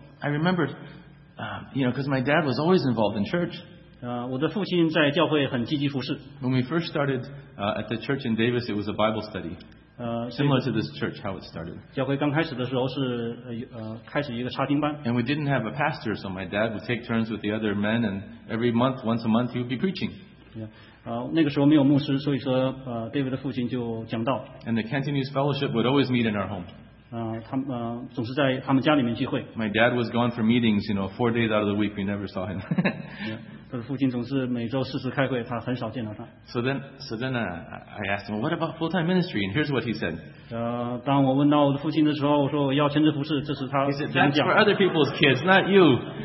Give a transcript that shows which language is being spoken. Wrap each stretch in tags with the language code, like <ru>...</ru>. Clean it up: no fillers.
<en>I remembered, you know, because my dad was always involved in church.</en> <zh>我的父亲在教会很积极服事。</zh> <en>When we first started at the church in Davis, it was a Bible study. Similar to this church, how it started.</en> <zh>教会刚开始的时候是开始一个查经班。</zh> <en>And we didn't have a pastor, so my dad would take turns with the other men, and every month, once a month, he would be preaching.</en> <zh>Yeah. 那个时候没有牧师，所以说David的父亲就讲道。</zh> <en>And the Cantonese Fellowship would always meet in our home.</en> <zh>他们总是在他们家里面聚会。</zh> <en>My dad was gone for meetings, you know, 4 days out of the week, we never saw him. yeah.</en> <zh>他的父亲总是每周四次开会，他很少见到他。</zh> <en>So then, I asked him, "What about full-time ministry?" And here's what he said.</en> <zh>当我问到我的父亲的时候，我说我要全职服事，这是他讲的。</zh> <en>He said, "That's for other people's kids, not you.</en>